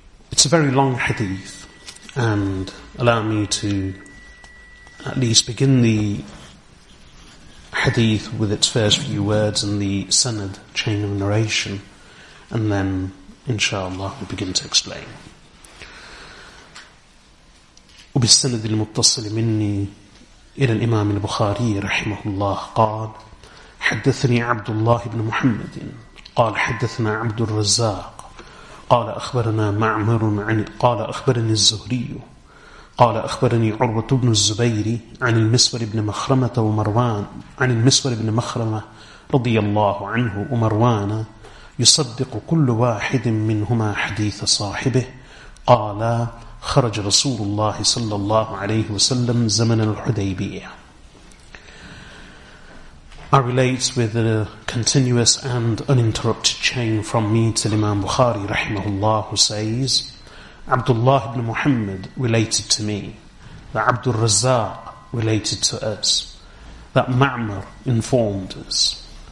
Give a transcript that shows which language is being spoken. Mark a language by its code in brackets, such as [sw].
[en] It's a very long hadith, and allow me to at least begin the hadith with its first few words and the sanad chain of narration, and then inshallah we'll begin to explain. [ar] وبالسند المتصل مني إلى الإمام البخاري رحمه الله قال حدثني عبد الله بن محمد قال حدثنا عبد الرزاق قال أخبرنا معمر عن قال أخبرني الزهري قال أخبرني عروة بن الزبير عن المسور بن مخرمة ومروان عن المسور بن مخرمة رضي الله عنه ومروان يصدق كل واحد منهما حديث صاحبه. قال خرج رسول الله صلى الله عليه وسلم زمن الحديبية. [en] I relate with a continuous and uninterrupted chain from me to Imam Bukhari rahimahullah, who says, Abdullah ibn Muhammad related to me, that Abdul Razzaq related to us, that Ma'mar informed us.